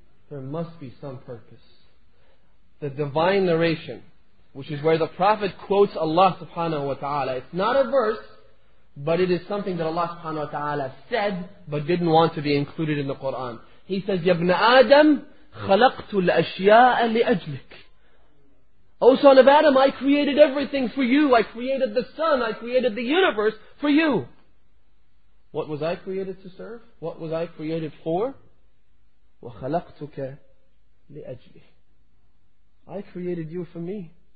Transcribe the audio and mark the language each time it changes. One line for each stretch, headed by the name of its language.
English: Some purpose. The divine narration, which is where the Prophet quotes Allah subhanahu wa ta'ala. It's not a verse, but it is something that Allah subhanahu wa ta'ala said, but didn't want to be included in the Quran. He says,
Arabic: يَبْنَ آدَمْ خَلَقْتُ الْأَشْيَاءَ لِأَجْلِكَ.
English: O son of Adam, I created everything for you. I created the sun. I created the universe for you. What was I created to serve? What was I created for?
Arabic: وَخَلَقْتُكَ لِأَجْلِي.
English: I created you for me.